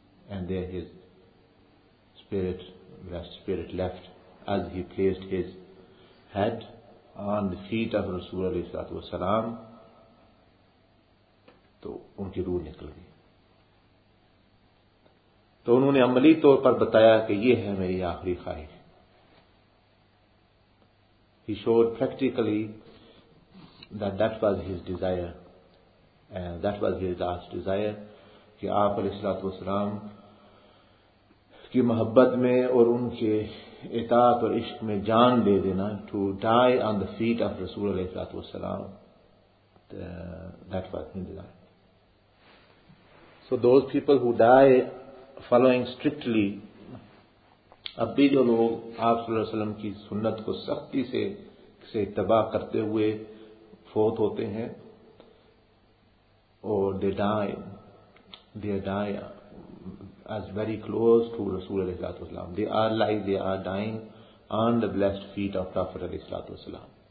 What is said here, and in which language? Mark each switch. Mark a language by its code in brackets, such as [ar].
[en] and there his spirit blessed spirit left as he placed his head on the feet of Rasul अलैहिस्सलाम, [hi] तो उनकी रूह निकल गई. तो उन्होंने अमली तौर पर बताया कि ये है मेरी आखिरी ख्वाहिश. [en] He showed practically That was his desire, and that was his last desire. [hi] कि आप अलैहिस्सलाम की मोहब्बत में और उनके इताअत और इश्क में जान दे देना. [en] To die on the feet of Rasul अलैहिस्सलाम. That was his desire. So those people who die following strictly, [hi] अब भी जो लोग आप सल्लम की सुन्नत को सख्ती से इत्तबा करते हुए फोत होते हैं [en] और they die as very close to Rasul अलैहिस्सलाम, they are dying on the blessed feet of prophet अलैहिस्सलाम.